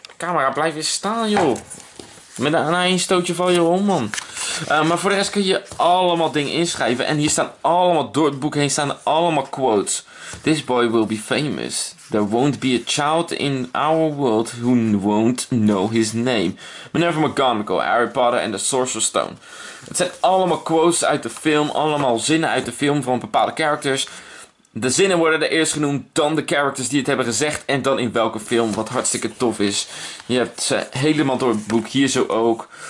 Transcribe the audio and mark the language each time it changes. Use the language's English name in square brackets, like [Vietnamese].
[Dutch] Camera, blijf eens staan, joh. Met een eindstootje val je om, man. Maar voor de rest kun je allemaal dingen inschrijven. En hier staan allemaal, door het boek heen staan allemaal quotes. [English] This boy will be famous. There won't be a child in our world who won't know his name. Minerva McGonagall, Harry Potter and the Sorcerer's Stone. [Dutch] Het zijn allemaal quotes uit de film. Allemaal zinnen uit de film van bepaalde characters. De zinnen worden er eerst genoemd, dan de characters die het hebben gezegd en dan in welke film, wat hartstikke tof is. Je hebt ze helemaal door het boek, hier zo ook.